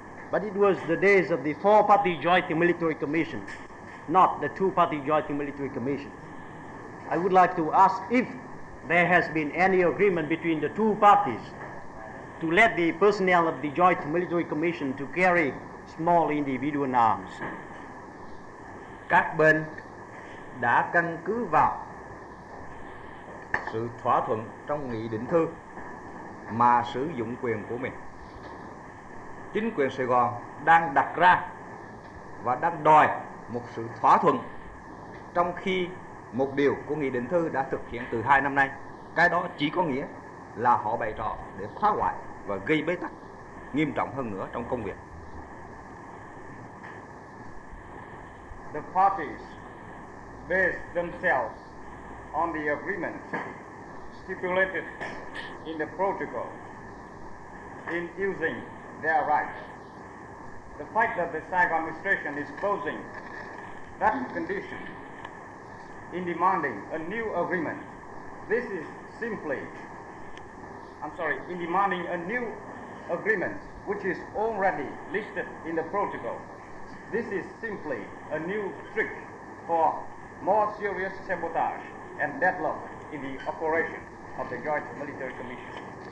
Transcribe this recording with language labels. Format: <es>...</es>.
<en>But it was the days of the Four-Party Joint Military Commission, not the Two-Party Joint Military Commission. I would like to ask if there has been any agreement between the two parties to let the personnel of the Joint Military Commission to carry small individual arms.</en> <vi>Các bên đã căn cứ vào sự thỏa thuận trong nghị định thư mà sử dụng quyền của mình. Chính quyền Sài Gòn đang đặt ra và đang đòi một sự thỏa thuận, trong khi một điều của nghị định thư đã thực hiện từ 2 năm nay. Cái đó chỉ có nghĩa là họ bày trò để phá hoại và gây bế tắc nghiêm trọng hơn nữa trong công việc.</vi> <en>The parties based themselves on the agreement stipulated in the protocol in using their rights. The fact that the Saigon administration is posing that condition in demanding a new agreement, this is simply, in demanding a new agreement which is already listed in the protocol, this is simply a new trick for more serious sabotage and deadlock in the operation of the Joint Military Commission.</en>